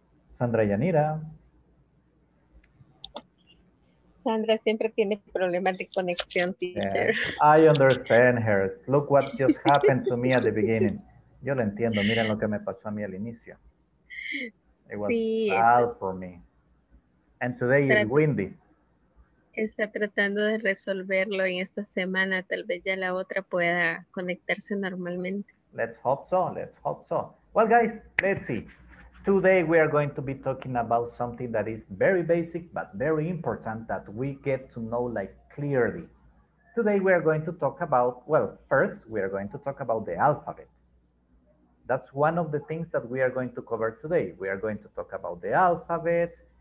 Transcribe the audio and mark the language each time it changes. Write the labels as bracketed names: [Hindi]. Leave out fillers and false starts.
[Spanish] Sandra Yanira. Sandra siempre tiene problemas de conexión, teacher. [English] Yeah, I understand her. Look what just happened to me at the beginning. [Spanish] Yo lo entiendo. Miren lo que me pasó a mí al inicio. [English] It was sad for me. And today is windy. [Spanish] Está tratando de resolverlo en esta semana. Tal vez ya la otra pueda conectarse normalmente. [English] Let's hope so. Well, guys, let's see. Today we are going to be talking about something that is very basic, but very important that we get to know like clearly. Today we are going to talk about, well, first we are going to talk about the alphabet. That's one of the things that we are going to cover today. We are going to talk about the alphabet.